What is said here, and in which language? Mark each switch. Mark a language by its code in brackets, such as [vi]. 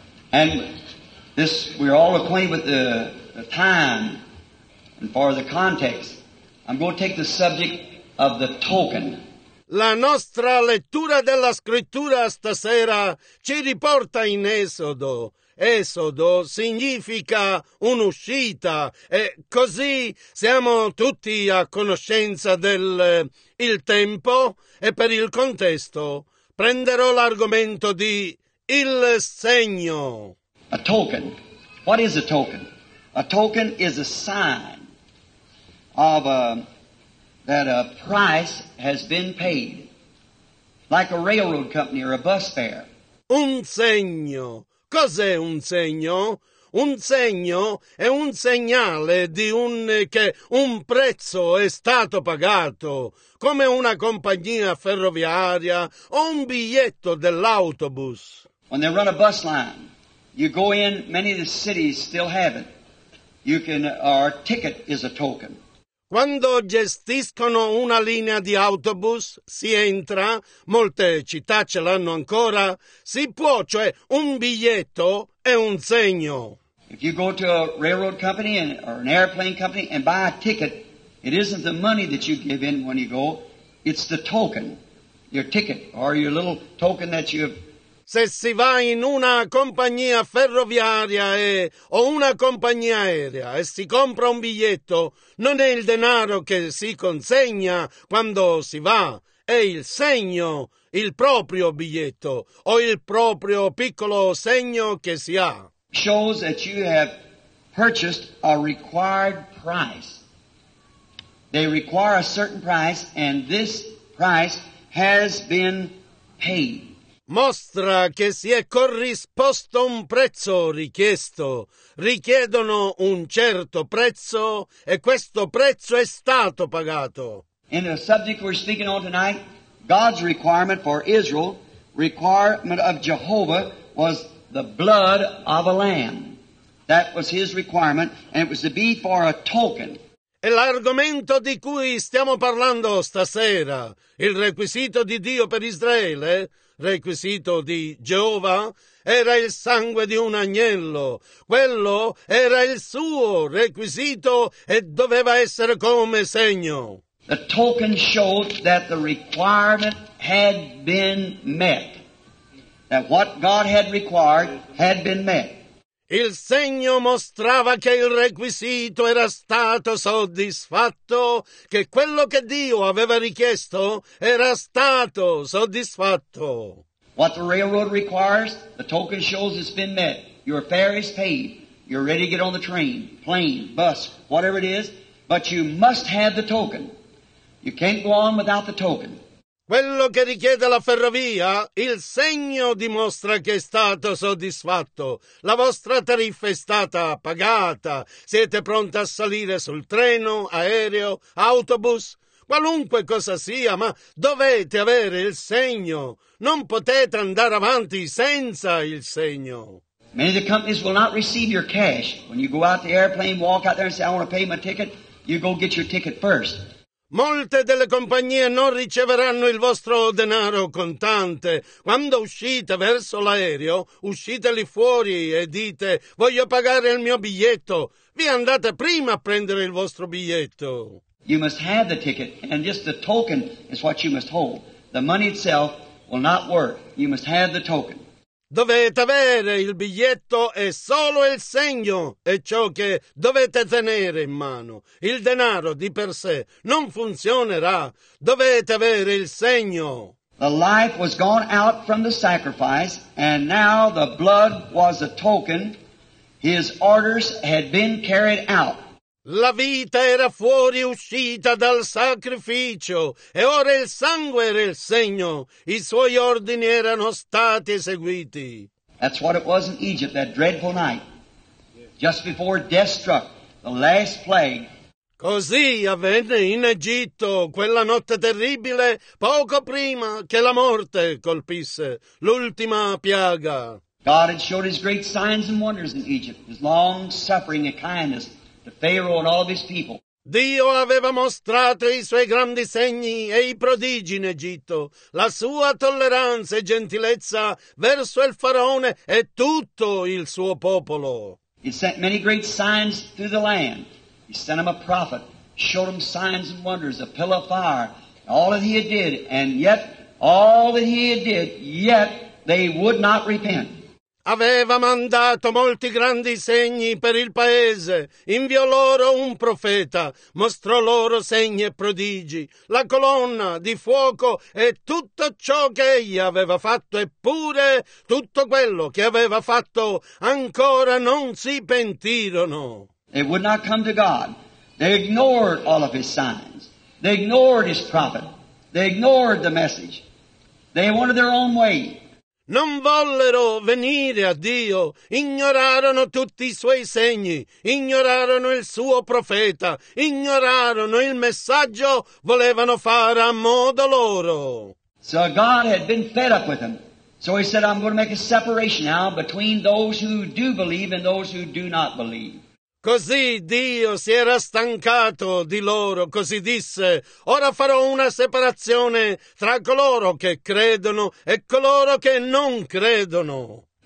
[en] And this, we're all acquainted with the time and far as the context. I'm going to take the subject of the token. [it] La nostra lettura della scrittura stasera ci riporta in Esodo. Esodo significa un'uscita e così siamo tutti a conoscenza del il tempo e per il contesto prenderò l'argomento di il segno. [en] A token. What is a token? A token is a sign of that a price has been paid. Like a railroad company or a bus fare. [it] Un segno. Cos'è un segno? Un segno è un segnale di che un prezzo è stato pagato, come una compagnia ferroviaria o un biglietto dell'autobus. [en] When they run a bus line, You go in, many of the cities still have it. You can, our ticket is a token. [it] Quando gestiscono una linea di autobus, si entra, molte città ce l'hanno ancora, si può, cioè un biglietto è un segno. [en] If you go to a railroad company and, or an airplane company and buy a ticket, it isn't the money that you give in when you go, it's the token, your ticket, or your little token that you have. [it] Se si va in una compagnia ferroviaria o una compagnia aerea e si compra un biglietto, non è il denaro che si consegna quando si va, è il segno, il proprio biglietto o il proprio piccolo segno che si ha. [en] Shows that you have purchased a required price. They require a certain price and this price has been paid. [it] Mostra che si è corrisposto un prezzo richiesto. Richiedono un certo prezzo e questo prezzo è stato pagato. [en] In the subject we're speaking on tonight, God's requirement for Israel, requirement of Jehovah, was the blood of a lamb. That was his requirement, and it was to be for a token. [it] E l'argomento di cui stiamo parlando stasera, il requisito di Dio per Israele, requisito di Geova, era il sangue di un agnello. Quello era il suo requisito e doveva essere come segno. [en] The token showed that the requirement had been met. That what God had required had been met. [it] Il segno mostrava che il requisito era stato soddisfatto, che quello che Dio aveva richiesto era stato soddisfatto. [en] What the railroad requires, the token shows it's been met. Your fare is paid. You're ready to get on the train, plane, bus, whatever it is, but you must have the token. You can't go on without the token. [it] Quello che richiede la ferrovia, il segno dimostra che è stato soddisfatto. La vostra tariffa è stata pagata. Siete pronti a salire sul treno, aereo, autobus, qualunque cosa sia, ma dovete avere il segno. Non potete andare avanti senza il segno. [en] Many of the companies will not receive your cash. When you go out the airplane, walk out there and say, I want to pay my ticket, you go get your ticket first. [it] Molte delle compagnie non riceveranno il vostro denaro contante. Quando uscite verso l'aereo, uscite lì fuori e dite, voglio pagare il mio biglietto. Vi andate prima a prendere il vostro biglietto. [en] You must have the ticket, and just the token is what you must hold. The money itself will not work. You must have the token. [it] Dovete avere il biglietto e solo il segno è ciò che dovete tenere in mano. Il denaro di per sé non funzionerà. Dovete avere il segno. [en] The life was gone out from the sacrifice and now the blood was a token. His orders had been carried out. [it] La vita era fuori, uscita dal sacrificio, e ora il sangue era il segno. I suoi ordini erano stati eseguiti. [en] That's what it was in Egypt, that dreadful night. Just before death struck, the last plague. [it] Così avvenne in Egitto, quella notte terribile, poco prima che la morte colpisse, l'ultima piaga. [en] God had showed his great signs and wonders in Egypt, his long suffering and kindness. The Pharaoh and all of his people. [it] Dio aveva mostrato i suoi grandi segni e i prodigi in Egitto, la sua tolleranza e gentilezza verso il faraone e tutto il suo popolo. [en] He sent many great signs through the land. He sent him a prophet, showed him signs and wonders, a pillar of fire, all that he had did, and yet, all that he had did, yet they would not repent. [it] Aveva mandato molti grandi segni per il paese, inviò loro un profeta, mostrò loro segni e prodigi, la colonna di fuoco e tutto ciò che egli aveva fatto, eppure tutto quello che aveva fatto ancora non si pentirono. [en] They would not come to God. They ignored all of his signs. They ignored his prophet. They ignored the message. They wanted their own way. [it] Non vollero venire a Dio, ignorarono tutti i suoi segni, ignorarono il suo profeta, ignorarono il messaggio, volevano fare a modo loro. [en] So God had been fed up with them, So he said, I'm going to make a separation now between those who do believe and those who do not believe. [it] Così Dio si era stancato di loro, così disse, ora farò una separazione tra coloro che credono e coloro che non credono.